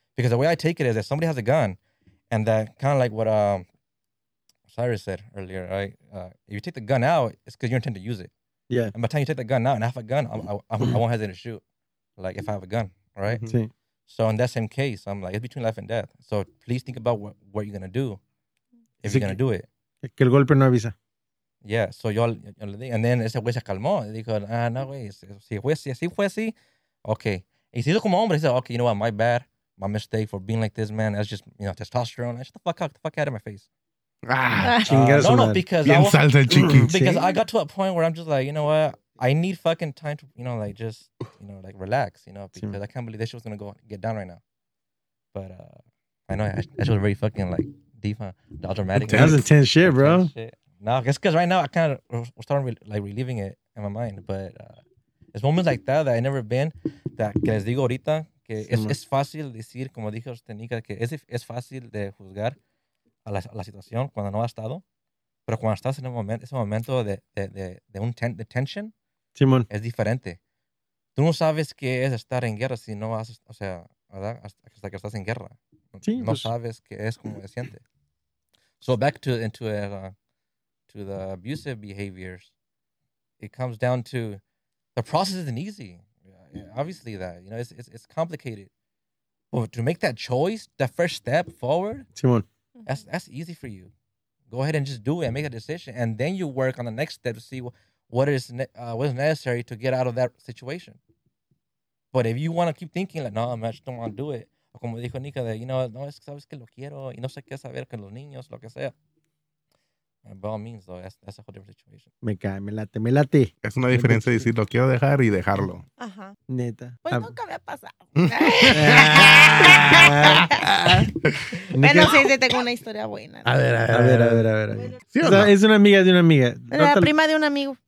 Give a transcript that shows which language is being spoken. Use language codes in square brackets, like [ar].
[en] Because the way I take it is that somebody has a gun, and that kind of like what Cyrus said earlier, right? If you take the gun out, it's because you intend to use it. Yeah. And by the time you take the gun out and I have a gun, I won't hesitate to shoot. Like if I have a gun, right? [es] Mm-hmm. Sí. [en] So in that same case, I'm like, it's between life and death. So please think about what you're going to do if you're going to do it. [es] Que el golpe no avisa. Yeah, so yo le dije, [en] and then [es] ese güey se calmó. Y dijo, ah, no, güey, si fue así, okay. Y se hizo como hombre. [en] He said, okay, you know what, my bad, my mistake for being like this, man. That's just, you know, testosterone. I shut the fuck out of my face. [es] Ah, chingas, [en] no, because [es] bien salsa el chiqui. [en] Because I got to a point where I'm just like, you know what, I need fucking time to, you know, like, just, you know, like, relax, you know, because sí. I can't believe this shit was going to go get down right now. But I know that shit was really fucking, like, deep, huh? The dramatic. That was intense shit, bro. Intense shit. No, it's because right now I kind of starting like relieving it in my mind. But it's moments like that I've never been, [es] that que les digo ahorita, que sí, es fácil decir, como dijo usted, Nika, que es fácil de juzgar a la situación cuando no ha estado. Pero cuando estás en ese momento de tension, Simón, es diferente. Tú no sabes qué es estar en guerra si no vas, o sea, ¿verdad? Hasta que estás en guerra. Sí, no pues sabes qué es, cómo se siente. [en] So back to the abusive behaviors, it comes down to the process isn't easy. Yeah, obviously that, you know, it's complicated. But to make that choice, that first step forward, [es] Simón, [en] that's easy for you. Go ahead and just do it and make a decision. And then you work on the next step to see what is necessary to get out of that situation. But if you want to keep thinking like, no, I just don't want to do it. [es] O como dijo Nika, de, you know, no, es que sabes que lo quiero y no sé qué saber con los niños, lo que sea. [en] And by all means, though, that's a whole different situation. [es] Me cae, me late. Es una diferencia decir lo quiero dejar y dejarlo. Ajá. Neta. Pues nunca me ha pasado. Pero sí, tengo una historia buena. ¿No? A ver. ¿Sí o no? Es una amiga de una amiga. La prima de un amigo.